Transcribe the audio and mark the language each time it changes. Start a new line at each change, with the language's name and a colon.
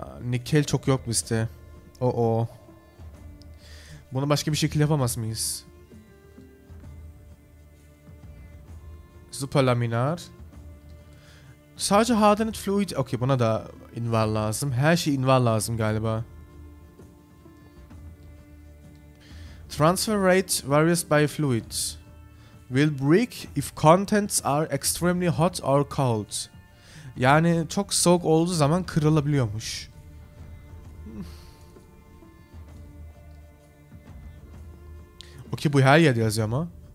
Turkish: Nikel çok yok bizde. Oo. Bunu başka bir şekilde yapamaz mıyız? Super laminar. Sadece hardened fluid. Okey, buna da invar lazım. Her şey invar lazım galiba.
English: Transfer rate varies by fluid. Will break if contents are extremely hot or cold.
Turkish: Yani çok soğuk olduğu zaman kırılabiliyormuş. Okey, bu her yerde yazıyor ama.